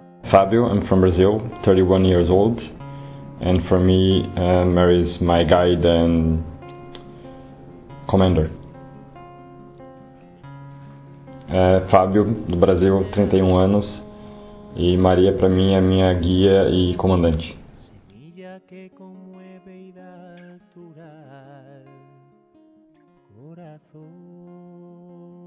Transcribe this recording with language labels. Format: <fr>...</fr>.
<en>Fabio, I'm from Brazil, 31 years old, and for me, Mary is my guide and commander.</en> <pt>Fabio, do Brasil, 31 anos, e Maria, para mim, é minha guia e comandante.</pt> <es>Semilla que conmueve y da altura al corazón.</es>